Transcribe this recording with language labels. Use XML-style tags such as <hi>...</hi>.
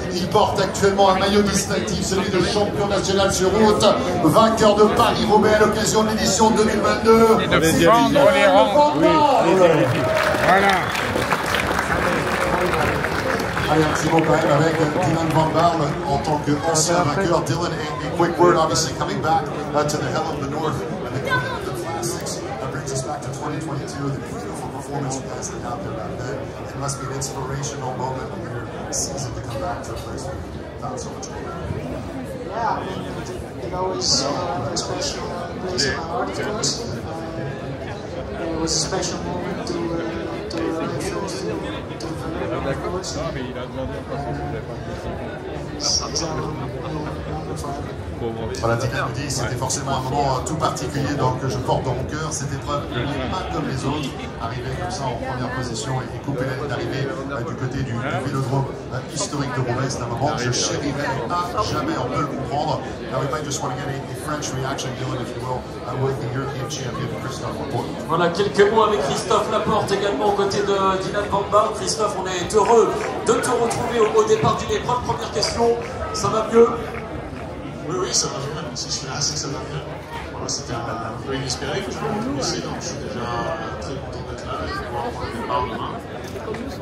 <fr>Il porte actuellement un maillot distinctif, celui de champion national sur route. Vainqueur de Paris-Roubaix à l'occasion de l'édition 2022. Voilà. Allez, un petit mot quand même avec Dylan Van Baarle en tant qu'ancien vainqueur.</fr> <en>Dylan, a quick word, obviously coming back to the Hell of the North and the Classics. That brings us back to 2022, the beautiful performance you guys had out there back then. It must be an inspirational moment in your season to come back to a place where you found so much more. Yeah, I mean, it always a very special place in my heart, of course. It was a special moment to.</en> <fr>Voilà, Dylan nous dit, c'était forcément un moment tout particulier donc que je porte dans mon cœur. Cette épreuve n'est pas comme les autres. Arriver comme ça en première position et couper la ligne d'arrivée du côté du vélodrome historique de Roubaix, c'est un moment que je chérirai à jamais, on peut le comprendre.</fr> <en>Now we might just want to get a French reaction, Dylan, if you will, with the European champion Christophe Laporte.</en> <fr>Voilà, quelques mots avec Christophe Laporte également aux côtés de Dylan Van Baarle. Christophe, on est heureux de te retrouver au départ d'une épreuve. Première question, ça va mieux? Oui, ça va bien, si je suis là, c'est que ça va bien. Voilà, c'était un peu inespéré que je me retrouve ici, donc je suis déjà très content d'être là et de pouvoir prendre le départ demain.</fr>